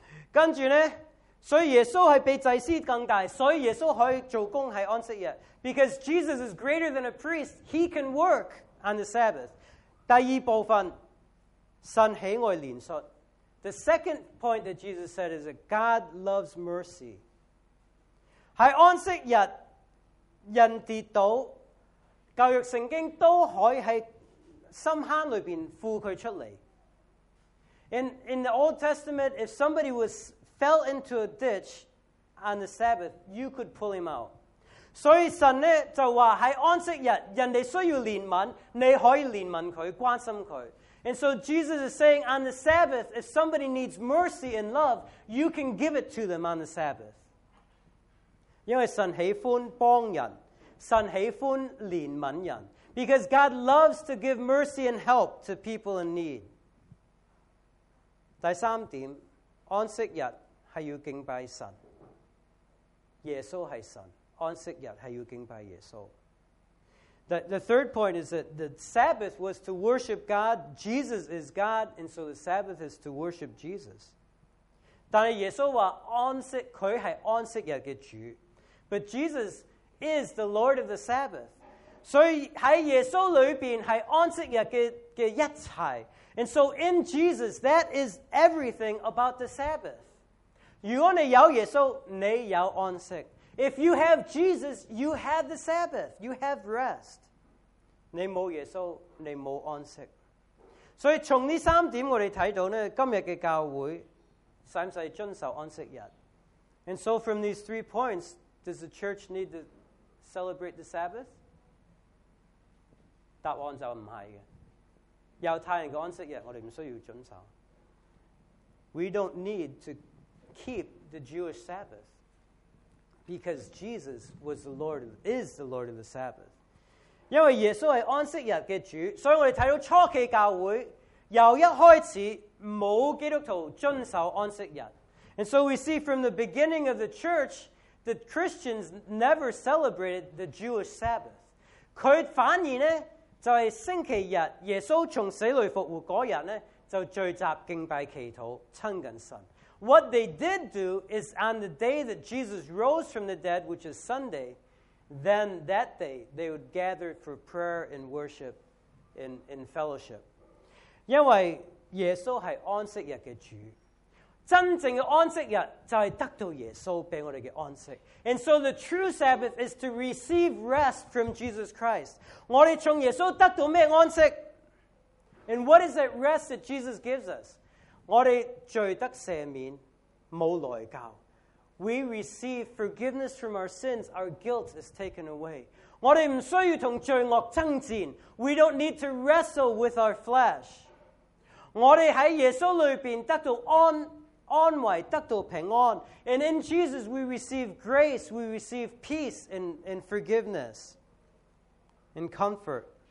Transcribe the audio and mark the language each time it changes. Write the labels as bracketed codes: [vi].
[zh] 跟着呢，所以耶稣是比祭司更大，所以耶稣可以做工在安息日。 [en] Because Jesus is greater than a priest, he can work on the Sabbath. [zh] 第二部分，神喜爱怜恤。 [en] The second point that Jesus said is that God loves mercy. [zh] 在安息日，人跌倒，旧约圣经都可以在深坑里面扶他出来。 [en] In the Old Testament, if somebody was... fell into a ditch on the Sabbath, you could pull him out. [zh] 所以神呢就说在安息日人家需要怜悯，你可以怜悯他，关心他。 [en] And so Jesus is saying on the Sabbath, if somebody needs mercy and love, you can give it to them on the Sabbath. [zh] 因为神喜欢帮人，神喜欢怜悯人。 [en] Because God loves to give mercy and help to people in need. [zh] 第三点，安息日是要敬拜神，耶稣是神，安息日是要敬拜耶稣。 [en] The third point is that the Sabbath was to worship God. Jesus is God, and so the Sabbath is to worship Jesus. [zh] 但是耶稣说安息，他是安息日的主。 [en] But Jesus is the Lord of the Sabbath. [zh] 所以在耶稣里面是安息日 的一切。 [en] And so in Jesus, that is everything about the Sabbath. [zh] 如果你有耶稣，你有安息。 [en] If you have Jesus, you have the Sabbath. You have rest. [zh] 你没有耶稣，你没有安息。所以从这三点我们看到呢，今天的教会是不是遵守安息日。 [en] And so from these three points, does the church need to celebrate the Sabbath? [zh] 答案就不是的。犹太人的安息日我们不需要遵守。 [en] We don't need to keep the Jewish Sabbath because Jesus is the Lord of the Sabbath. [zh] 因为耶稣是安息日的主，所以我们看到初期教会由一开始没有基督徒遵守安息日。 [en] And so we see from the beginning of the church that Christians never celebrated the Jewish Sabbath. [zh] 他反而呢就是星期日，耶稣从死里复活嗰日呢，就聚集敬拜祈祷，亲近神。 [en] What they did do is on the day that Jesus rose from the dead, which is Sunday, then that day they would gather for prayer and worship in fellowship. [zh] 因为耶稣是安息日的主。真正的安息日就是得到耶稣给我们的安息。And [en] so the true Sabbath is to receive rest from Jesus Christ. [zh] 我们从耶稣得到什么安息? [en] And what is that rest that Jesus gives us? [zh] 我们罪得赦免,没有内疚。 [en] We receive forgiveness from our sins, our guilt is taken away. [zh] 我们不需要与罪恶争战, [en] we don't need to wrestle with our flesh. [zh] 我们在耶稣里面得到安慰,得到平安, [en] and in Jesus we receive grace, we receive peace and forgiveness and comfort.